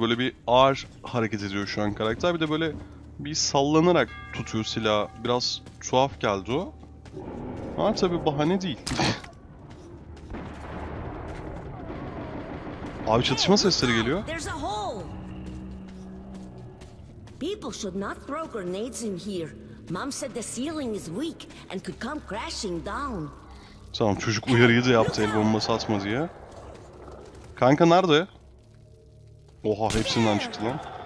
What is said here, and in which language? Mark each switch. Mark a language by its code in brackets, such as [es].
[tr] Böyle bir ağır hareket ediyor şu an karakter. Bir de böyle bir sallanarak tutuyor silahı. Biraz tuhaf geldi o. Ha tabii bahane değil. Abi çatışma sesleri geliyor. [en] People should not throw grenades in here. Mom said the ceiling is weak and could come crashing down. [tr] Tamam, çocuk uyarıyı da yaptı el bombası atma diye. Kanka nerede? Oha, hepsinden çıktı lan.